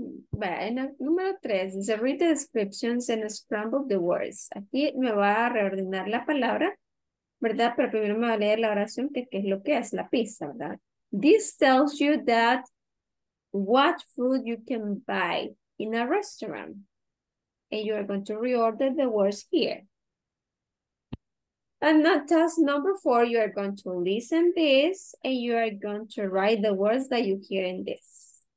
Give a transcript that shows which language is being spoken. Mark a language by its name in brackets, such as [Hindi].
[Spanish] Número tres, dice, [English] read the descriptions and scramble the words. [Spanish] Aquí me va a reordenar la palabra, ¿verdad? Pero primero me va a leer la oración, que qué es lo que es, la pista, ¿verdad? [English] This tells you that what food you can buy in a restaurant. And you are going to reorder the words here. And now task number four, you are going to listen this and you are going to write the words that you hear in this.